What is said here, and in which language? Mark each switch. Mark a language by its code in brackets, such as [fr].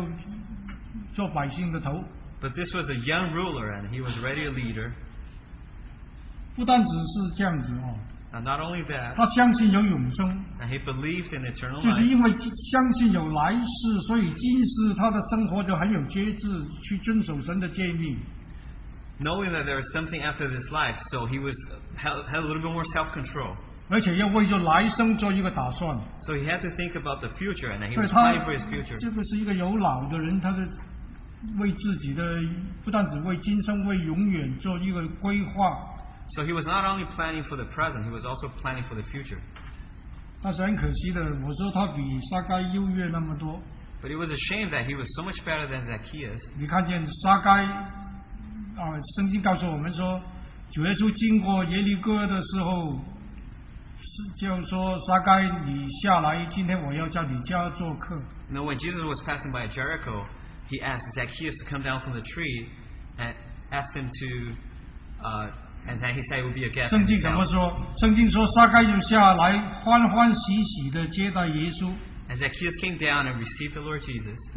[zh] 但这个年少有为,他已经做官了,就做百姓的头。 [en] But this was a young ruler, and he was already a leader. [zh] 不单只是这样子哦, [en] and not only that, [zh] 他相信有永生, [en] and he believed in eternal life. [zh] 就是因为相信有来世, 所以今世他的生活就很有节制去遵守神的诫命。 [en] Knowing that there is something after this life, so he was had a little bit more self-control. [zh] 而且要为就来生做一个打算, [en] so he had to think about the future, and he was planning for his future. [zh] 这个是一个有老的人, 他的为自己的, 不但只为今生,为永远做一个规划, [en] so he was not only planning for the present, he was also planning for the future. [zh] 但是很可惜的, [en] but it was a shame that he was so much better than Zacchaeus. [zh] 你看见沙该, 啊, 圣经告诉我们说, 主耶稣经过耶利哥的时候, 就说沙该你下来今天我要叫你家做客。 [en] Now when Jesus was passing by Jericho, he asked Zacchaeus to come down from the tree and asked him to and then he said he would be a guest. [zh] 圣经怎么说?圣经说沙该就下来欢欢喜喜地接待耶稣。 [en] And Zacchaeus came down and received the Lord Jesus.